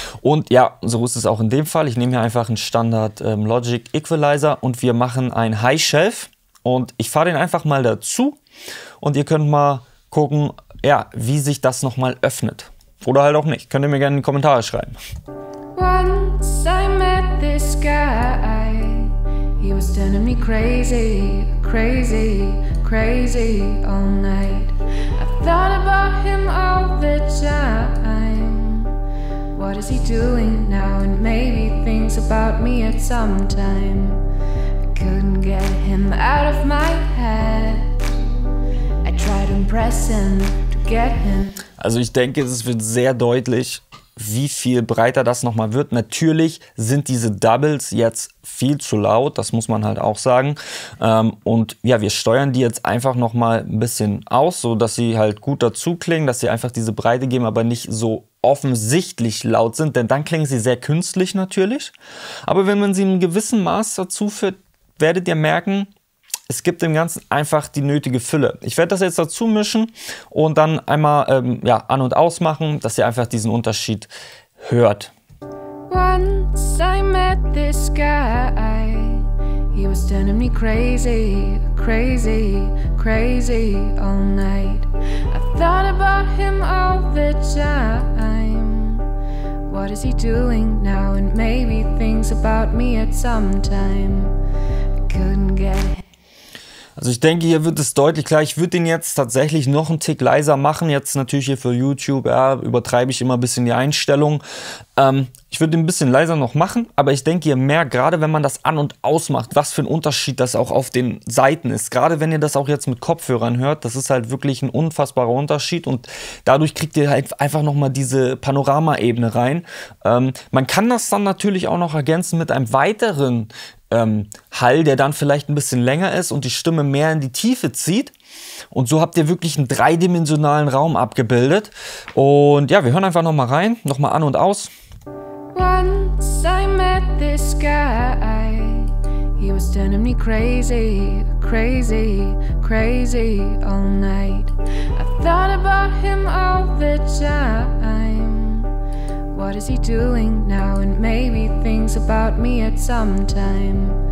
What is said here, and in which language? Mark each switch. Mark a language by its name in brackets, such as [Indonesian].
[German] Und ja, so ist es auch in dem Fall. Ich nehme hier einfach einen Standard Logic Equalizer und wir machen einen High Shelf. Und ich fahre den einfach mal dazu und ihr könnt mal gucken, ja, wie sich das nochmal öffnet. Oder halt auch nicht. Könnt ihr mir gerne in die Kommentare schreiben. [English] Once I met this guy, he was turning me crazy, crazy, crazy all night. I thought about him all the time. What is he doing now? And maybe thinks about me at some time. I couldn't get him out of my head. tried impressing to get him. [German] Also ich denke, es wird sehr deutlich, wie viel breiter das nochmal wird. Natürlich sind diese Doubles jetzt viel zu laut, das muss man halt auch sagen. Und ja, wir steuern die jetzt einfach nochmal ein bisschen aus, so dass sie halt gut dazu klingen, dass sie einfach diese Breite geben, aber nicht so offensichtlich laut sind, denn dann klingen sie sehr künstlich natürlich. Aber wenn man sie in gewissem Maß dazu führt, werdet ihr merken, es gibt dem Ganzen einfach die nötige Fülle. Ich werde das jetzt dazu mischen und dann einmal an- und ausmachen, dass ihr einfach diesen Unterschied hört. [English] Once I met this guy, he was turning me crazy, crazy, crazy all night. I thought about him all the time. What is he doing now and maybe thinks about me at some time. I couldn't get him. [German] Also ich denke, hier wird es deutlich klar. Ich würde den jetzt tatsächlich noch einen Tick leiser machen. Jetzt natürlich hier für YouTube, ja, übertreibe ich immer ein bisschen die Einstellung. Ich würde den ein bisschen leiser noch machen. Aber ich denke, ihr merkt, gerade wenn man das an- und ausmacht, was für ein Unterschied das auch auf den Saiten ist. Gerade wenn ihr das auch jetzt mit Kopfhörern hört, das ist halt wirklich ein unfassbarer Unterschied. Und dadurch kriegt ihr halt einfach nochmal diese Panoramaebene rein. Man kann das dann natürlich auch noch ergänzen mit einem weiteren Hall, der dann vielleicht ein bisschen länger ist und die Stimme mehr in die Tiefe zieht. Und so habt ihr wirklich einen dreidimensionalen Raum abgebildet. Und ja, wir hören einfach nochmal rein, nochmal an und aus. [English] Once I met this guy, he was turning me crazy, crazy, crazy all night. I thought about him all the time. What is he doing now and maybe thinks about me at some time.